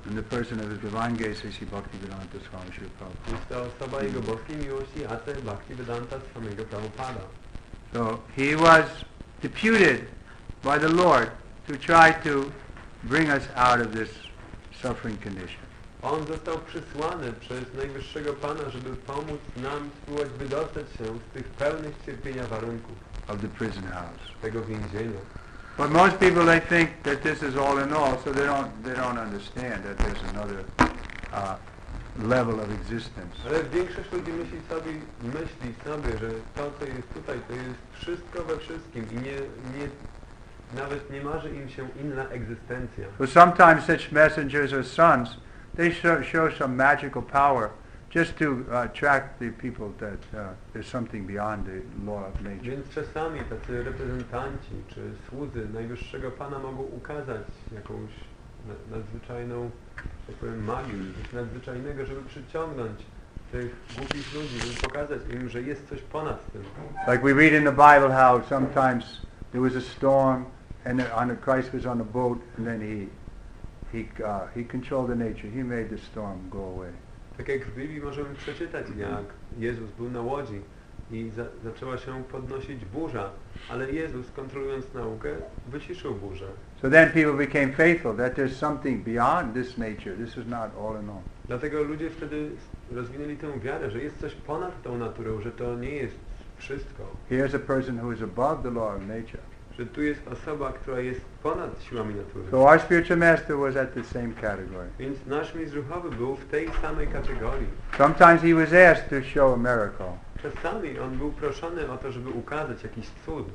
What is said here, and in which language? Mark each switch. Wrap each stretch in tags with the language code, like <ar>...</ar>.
<en>In the person of his divine grace, Srisi Bhaktivedanta Swami Srila Prabhupada.</en> <pl>Jest to osoba jego boskiej miłości, Atre Bhaktivedanta samego Prabhupada.</pl> <en>So he was deputed by the Lord to try to bring us out of this suffering condition.</en> <pl>On został przysłany przez najwyższego Pana, żeby pomóc nam spróbować wydostać się z tych pełnych cierpienia warunków</pl> <en>of the prison house.</en> <pl>Tego więzienia.</pl> <en>But most people, they think that this is all in all, so they don't understand that there's another level of existence.</en> <pl>Ale większość ludzi myśli sobie, że to, co jest tutaj, to jest wszystko we wszystkim i nawet nie marzy im się inna egzystencja.</pl> <en>But sometimes such messengers or sons, they show some magical power just to attract the people that there's something beyond the law of nature.</en> <pl>Więc czasami tacy reprezentanci czy słudzy najwyższego Pana mogą ukazać jakąś nadzwyczajną, jak powiem, magię, coś nadzwyczajnego, żeby przyciągnąć tych głupich ludzi, żeby pokazać im, że jest coś ponad tym.</pl> <en>Like we read in the Bible how sometimes there was a storm and Christ was on a boat and then he controlled the nature. He made the storm go away.</en> <pl>Tak jak w Biblii możemy przeczytać, jak Jezus był na łodzi i zaczęła się podnosić burza, ale Jezus, kontrolując naukę, wyciszył burzę.</pl> <en>So then people became faithful that there's something beyond this nature. This is not all in all.</en> <pl>Dlatego ludzie wtedy rozwinęli tę wiarę, że jest coś ponad tą naturą, że to nie jest wszystko.</pl> <en>Here's a person who is above the law of nature.</en> <pl>Że tu jest osoba, która jest ponad siłami natury.</pl> <en>So our spiritual master was at the same category.</en> <pl>Więc nasz mistrz duchowy był w tej samej kategorii.</pl> <en>Sometimes he was asked to show a miracle.</en> <pl>Czasami on był proszony o to, żeby ukazać jakiś cud.</pl>